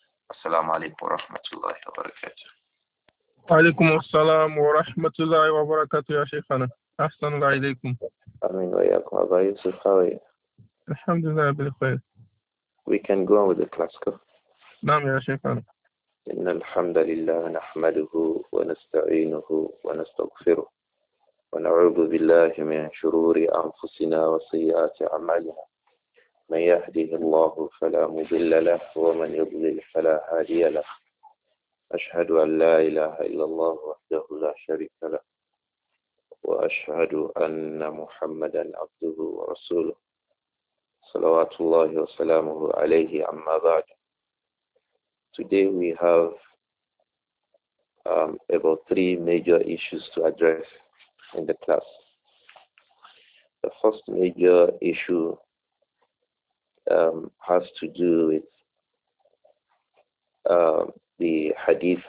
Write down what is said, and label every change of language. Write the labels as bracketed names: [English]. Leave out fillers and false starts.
[Arabic] السلام عليكم ورحمة الله وبركاته. وعليكم السلام ورحمة الله وبركاته يا شيخنا، أحسن الله إليكم. آمين وياكم. [English] أبا يوسف، how are you؟ [Arabic] الحمد لله بخير. [English] We can go on with the classical. [Arabic] نعم يا شيخنا. إن الحمد لله نحمده ونستعينه ونستغفره ونعوذ بالله من شرور أنفسنا وسيئات أعمالنا. من يهده الله فلا مضل له ومن يضلل فلا هادي له. أشهد أن لا إله إلا الله وحده لا شريك له وأشهد أن محمدا عبده ورسوله صلوات الله وسلامه عليه أما بعد. [English] Today we have about three major issues to address in the class. The first major issue has to do with the hadith.